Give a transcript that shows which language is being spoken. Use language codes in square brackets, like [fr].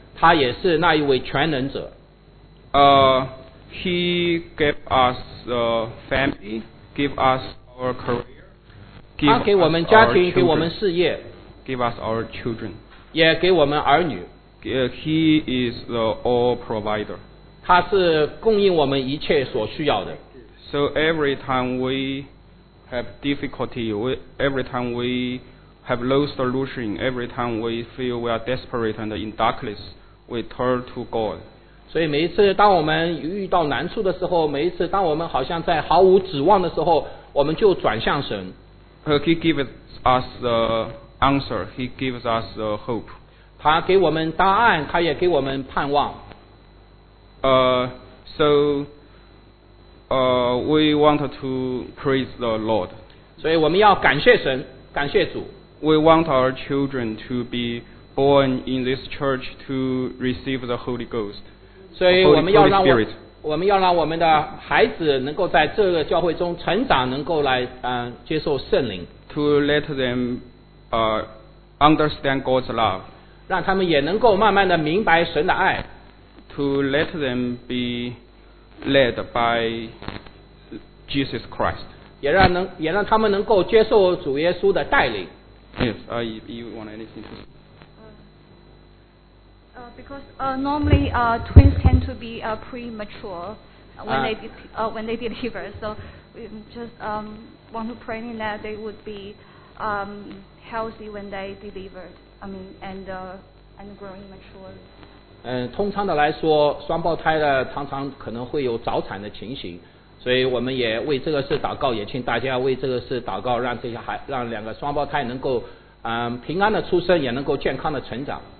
[zh] 实在是一个伟大的创造者，他也是那一位全能者。 [en] He gave us a family, gave us our career, [zh] 他给我们家庭，给我们事业， [en] gave us our children, [zh] 也给我们儿女。 [en] He is the all provider, [zh] 他是供应我们一切所需要的。 [en] So every time we have difficulty, every time we have no solution, every time we feel we are desperate and in darkness, we turn to God. [zh] 所以每一次当我们遇到难处的时候，每一次当我们好像在毫无指望的时候，我们就转向神。 [en] He gives us the answer, He gives us the hope. [zh] 他给我们答案，他也给我们盼望。 [en] So we want to praise the Lord. [zh] 所以我们要感谢神，感谢主。 [en] We want our children to be born in this church to receive the Holy Ghost. [zh] 所以我们要让我们要让我们的孩子能够在这个教会中成长，能够来接受圣灵。 [en] To let them understand God's love. [zh] 让他们也能够慢慢的明白神的爱。 [en] To let them be led by Jesus Christ. [zh] 也让他们能够接受主耶稣的带领。 [en] Yes, you want anything to say? Because normally twins tend to be premature when they deliver. So we just want to pray in that they would be healthy when they deliver. I mean, and growing mature. [zh] 通常的来说，双胞胎的常常可能会有早产的情形，所以我们也为这个事祷告，也请大家为这个事祷告，让这些孩，让两个双胞胎能够平安的出生，也能够健康的成长。